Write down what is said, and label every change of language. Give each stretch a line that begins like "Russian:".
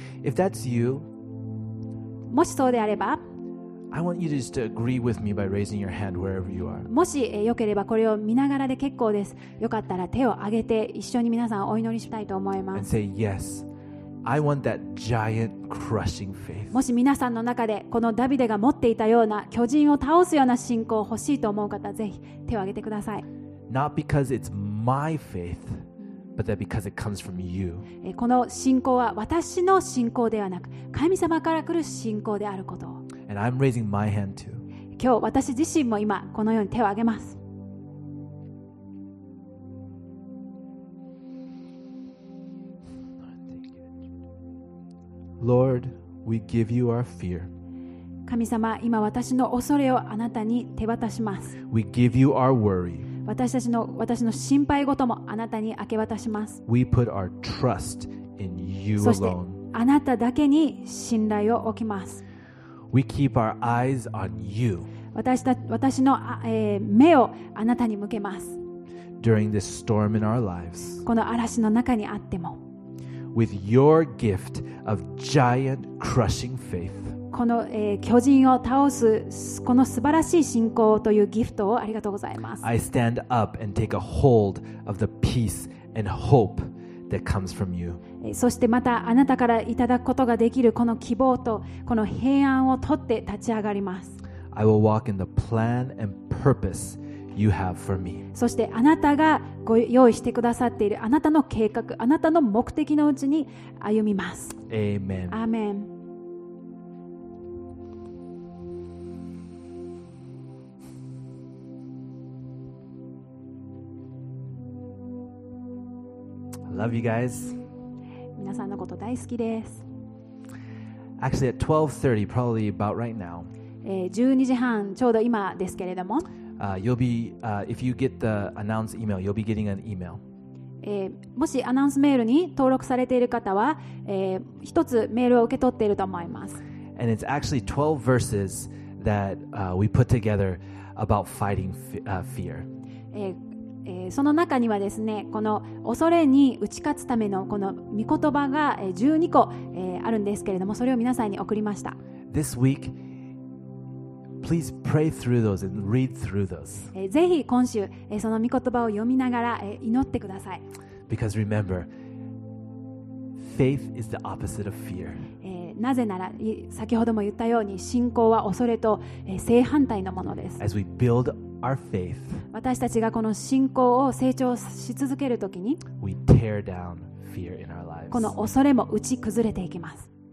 English: If that's you,
Japanese: もしそうであれば、
English: I want you to just agree with me by raising your hand wherever you are.
Japanese: もし、よければこれを見ながらで結構です。よかったら手を挙げて一緒に皆さんお祈りしたいと思います。
English: And say yes. I want that giant crushing faith.
Japanese: もし皆さんの中でこのダビデが持っていたような巨人を倒すような信仰を欲しいと思う方ぜひ手を挙げてください。
English: Not because it's my faith, but that because it comes from you.
Japanese: この信仰は私の信仰ではなく神様から来る信仰であることを。
English: And I'm raising my hand too.
Japanese: 今日私自身も今このように手を挙げます。
English: Lord, we give you our fear.
Japanese: 神様、今私の恐れをあなたに手渡します。
English: We give you our worry.
Japanese: 私の心配事もあなたに明け渡します。
English: We put our trust in you alone.
Japanese: そしてあなただけに信頼を置きます。
English: We keep our eyes on you.
Japanese: 私の、目をあなたに向けます。
English: During this storm in our lives.
Japanese: この嵐の中にあっても。
English: With your gift of giant crushing faith.
Japanese: この、巨人を倒すこの素晴らしい信仰というギフトをありがとうございます。
English: I stand up and take a hold of the peace and hope that comes from you.
Japanese: そしてまたあなたからいただくことができるこの希望とこの平安を取って立ち上がります。
English: I will walk in the plan and purpose. You have for me.
Japanese: そしてあなたがご用意してくださっているあなたの計画、あなたの目的のうちに歩みます。
English: Amen. Amen. I love you guys.
Japanese: 皆さんのこと大好きです。
English: Actually, at 12:30, probably about right now.
Japanese: 12時半ちょうど今ですけれども。
English: If you get the announce email, you'll be getting an email.
Japanese: もしアナウンスメールに登録されている方は、一つメールを受け取っていると思います。
English: And it's actually 12 verses that we put together about fighting fear.
Japanese: その中にはですね、この恐れに打ち勝つためのこの御言葉が12個、あるんですけれども、それを皆さんに送りました。
English: This week. Please pray through those and read through those.
Japanese: ぜひ今週その御言葉を読みながら祈ってください。
English: Because remember, faith is the opposite of fear.
Japanese: なぜなら先ほども言ったように信仰は恐れと正反対のものです。
English: As we build our faith,
Japanese: 私たちがこの信仰を成長し続けるときに、
English: we tear down fear in our lives.
Japanese: この恐れも打ち崩れていきます。